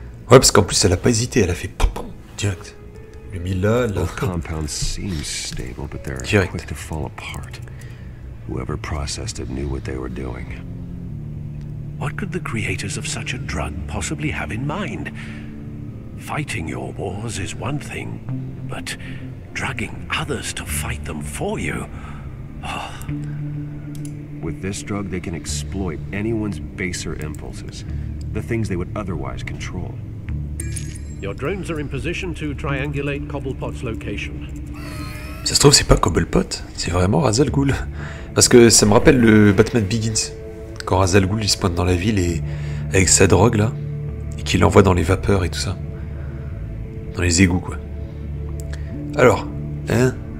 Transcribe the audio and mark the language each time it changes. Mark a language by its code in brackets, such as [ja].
[fr] Ouais, parce qu'en plus elle a pas hésité, elle a fait pom pom direct. [en] The compound seems stable, but they're quick to fall apart. Whoever processed it knew what they were doing. What could the creators of such a drug possibly have in mind? Fighting your wars is one thing, but drugging others to fight them for you. Oh. With this drug, they can exploit anyone's baser impulses, the things they would otherwise control. Your drones are in position to triangulate Cobblepot's location. [fr] Ça se trouve, c'est pas Cobblepot, c'est vraiment Ra's al Ghul. Parce que ça me rappelle le Batman Begins, quand Ra's al Ghul il se pointe dans la ville et avec sa drogue là, et qu'il l'envoie dans les vapeurs et tout ça. Dans les égouts quoi. Alors, hein?